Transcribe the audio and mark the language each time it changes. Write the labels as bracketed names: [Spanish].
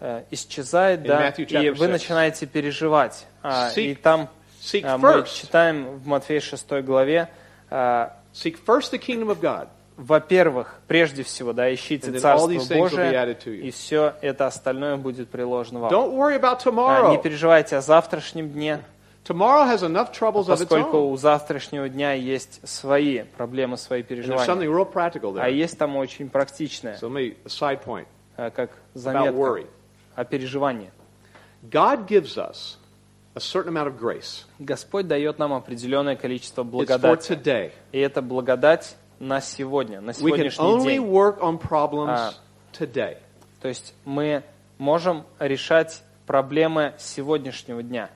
[Russian] исчезает, да, и вы начинаете переживать. [English] Seek, [Russian] и там [English] seek [Russian] мы [English] first. [Russian] Читаем в Матфея 6 главе [English] seek first the kingdom of God. [Russian] Во-первых, прежде всего, да, ищите [English] and [Russian] Царство Божие, и все это остальное будет приложено вам. [English] Don't worry about tomorrow. [Russian] Не переживайте о завтрашнем дне. [English] Tomorrow has enough troubles of its own. [Russian] Поскольку у завтрашнего дня есть свои проблемы, свои переживания. [English] And there's something real practical there. [Russian] А есть там очень практичное. [English] So maybe a side point. [Russian] Как заметка. [English] About worry. [Russian] О переживании. [English] God gives us a certain amount of grace. [Russian] Господь дает нам определенное количество благодати. [English] It's for today. [Russian] И это благодать на сегодня, на сегодняшний день. [English] We can only work on problems today. [Russian] То есть мы можем решать проблемы сегодняшнего дня.